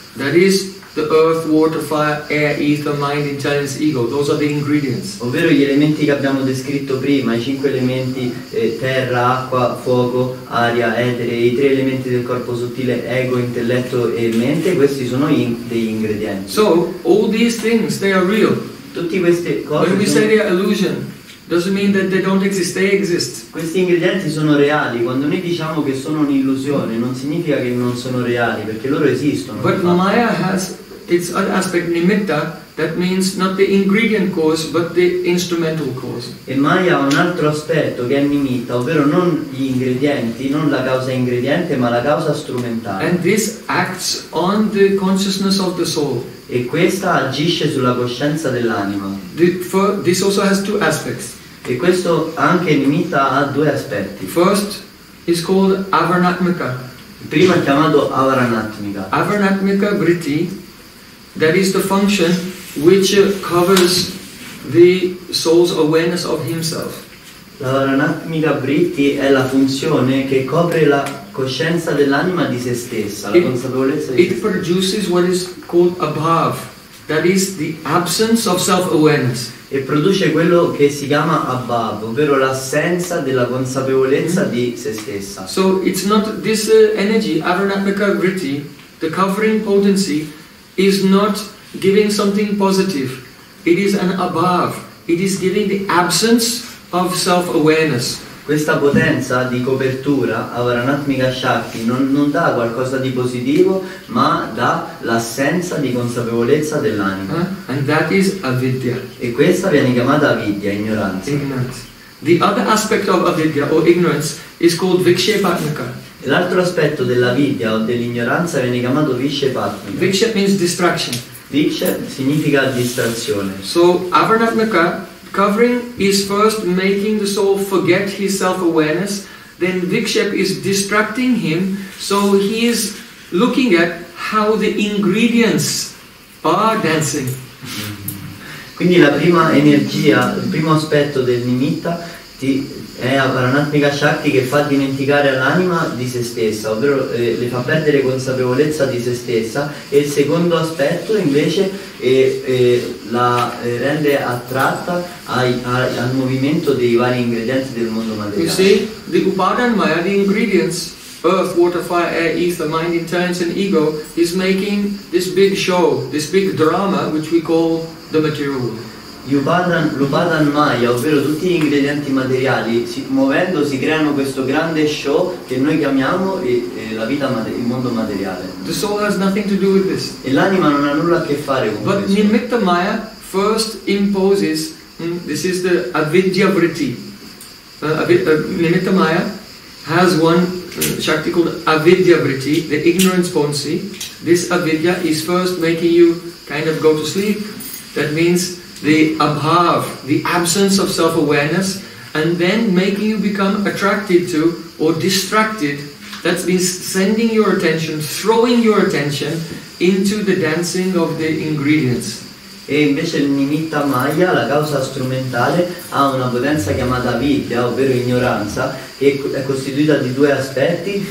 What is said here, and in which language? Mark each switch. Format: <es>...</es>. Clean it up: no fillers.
<en>That is the earth, water, fire, air, ether, mind, intelligence, ego. Those are the ingredients.</en> <it>Ovvero gli elementi che abbiamo descritto prima, i cinque elementi, terra, acqua, fuoco, aria, etere, i tre elementi del corpo sottile, ego, intelletto e mente, questi sono degli ingredienti.</it> <en>So, all these things, they are real.</en> <it>Tutti queste cose.</it> <en>When we say they are illusion, doesn't mean that they don't exist, they exist.</en> <it>Questi ingredienti sono reali. Quando noi diciamo che sono un'illusione, non significa che non sono reali, perché loro esistono.</it> <en>But Maya has its other aspect, Nimitta, that means not the ingredient cause, but the instrumental cause.</en> <it>E Maya ha un altro aspetto che è Nimitta, ovvero non gli ingredienti, non la causa ingrediente, ma la causa strumentale.</it> <en>And this acts on the consciousness of the soul.</en> <it>E questa agisce sulla coscienza dell'anima.</it> <en>This also has two aspects.</en> <it>E questo anche Nimitta ha due aspetti.</it> <en>First is called Avaranatmika.</en> <it>Prima chiamato Avaranatmika.</it> <en>Avaranatmika vritti, that is the function which covers the soul's awareness of himself.</en> <it>L'Avaranatmika vritti è la funzione che copre la coscienza dell'anima di se stessa, la consapevolezza di se stessa.</it> <en>It produces what is called abhav, that is the absence of self-awareness.</en> <it>E produce quello che si chiama abhav, ovvero l'assenza della consapevolezza di se stessa.</it> <en>So it's not this energy, Avaranatmika vritti, the covering potency, is not giving something positive. It is an abhav. It is giving the absence of self-awareness.</en> <it>Questa potenza di copertura, Avaranatmika Shakti, non dà qualcosa di positivo, ma dà l'assenza di consapevolezza dell'anima.</it> <en>And that is avidya.</en> <it>E questa viene chiamata avidya, ignoranza.</it> <en>Ignorance. The other aspect of avidya or ignorance is called vikshepatmika.</en> <it>E l'altro aspetto dell'avidya o dell'ignoranza viene chiamato vikshepatmika.</it> <en>Vikshep means distraction.</en> <it>Vikshep significa distrazione.</it> <en>So Avaranatmika covering is first making the soul forget his self-awareness, then Vikshep is distracting him, so he is looking at how the ingredients are dancing.</en> <it>Quindi la prima energia, il primo aspetto del Nimitta ti È Aparanatmika Shakti che fa dimenticare l'anima di se stessa, ovvero le fa perdere consapevolezza di se stessa, e il secondo aspetto invece la rende attratta al movimento dei vari ingredienti del mondo materiale.</it> <en>You see, the Upadana Maya, the ingredients, earth, water, fire, air, ether, mind, intelligence and ego, is making this big show, this big drama which we call the material world.</en> <it>L'Upadan Maya, ovvero tutti gli ingredienti materiali, muovendosi creano questo grande show che noi chiamiamo la vita, il mondo materiale.</it> <en>The soul has nothing to do with this.</en> <it>E l'anima non ha nulla a che fare con</it> <en>But</en> <it>questo.</it> <en>But Nimitta Maya first imposes, this is the avidya vritti. Nimitta Maya has one shakti called avidya vritti, the ignorance potency. This avidya is first making you kind of go to sleep. That means the abhav, the absence of self-awareness, and then making you become attracted to or distracted. That means sending your attention, throwing your attention into the dancing of the ingredients.</en> <it>E invece il nimitta maya, la causa strumentale, ha una potenza chiamata vidya, ovvero ignoranza, che è costituita di due aspetti.</it>